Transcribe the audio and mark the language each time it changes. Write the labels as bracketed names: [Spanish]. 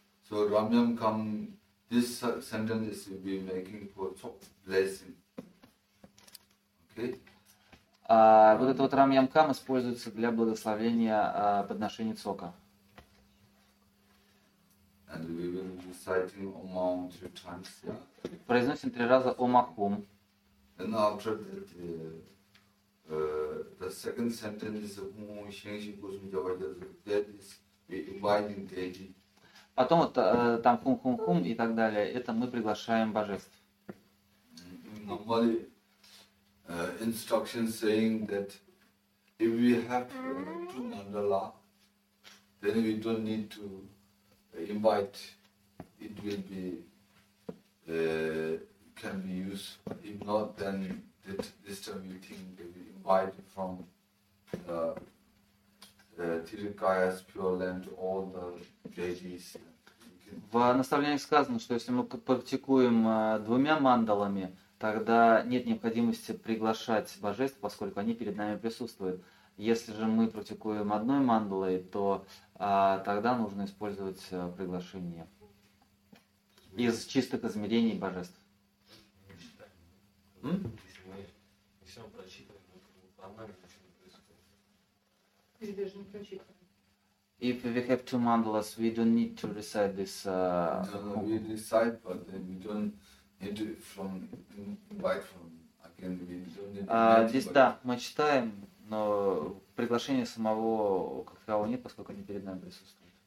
[English] So Рамьям Кам, this sentence is to be making for цок blessing. Okay. [Russian] Вот это вот Рамьям Кам используется для благословения подношения цока. [English] And we will be reciting Омахум three times, yeah. [Russian] Произносим три раза Омахум. [English] And after that, the second sentence is that is inviting deity. [Russian] Потом вот там хум-хум-хум и так далее, это мы приглашаем божеств. [English] Normally instructions saying that if we have two mandala, then we don't need to invite, it will be can be used. If not, then this time you think maybe invite from Tirukaya's pure land all the deities. [Russian] В наставлениях сказано, что если мы практикуем двумя мандалами, тогда нет необходимости приглашать божеств, поскольку они перед нами присутствуют. Если же мы практикуем одной мандалой, то тогда нужно использовать приглашение из чистых измерений божеств. [English] If we have two mandalas, we don't need to recite this. We recite, but then we don't need to from invite from again. We don't need. [Russian] Здесь да, мы читаем, но приглашения самого как такового нет, поскольку они перед нами присутствуют.